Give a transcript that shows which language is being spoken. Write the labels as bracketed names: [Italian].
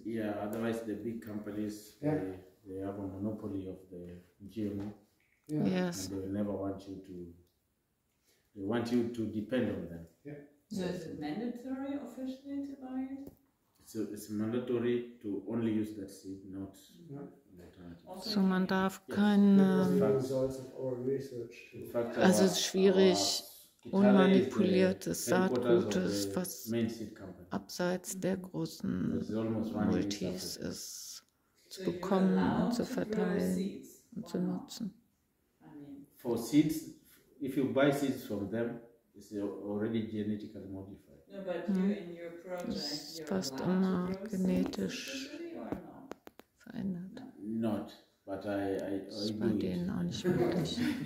[English] Yeah, otherwise the big companies, yeah, they have a monopoly of the GMO. Yeah. Yes. And they will never want you to, they want you to depend on them. Yeah. So is it mandatory officially to buy it? So it's mandatory to only use that seed, not [German] so man darf keine, also es ist schwierig, unmanipuliertes Saatgutes, was abseits der großen Multis ist, zu bekommen und zu verteilen und zu nutzen. [English] For seeds, if you buy seeds from them, it's already genetically modified. No, but you, in your project, [German] ist fast immer genetisch verändert. [English] Not, but I [German] das ist bei denen auch nicht möglich.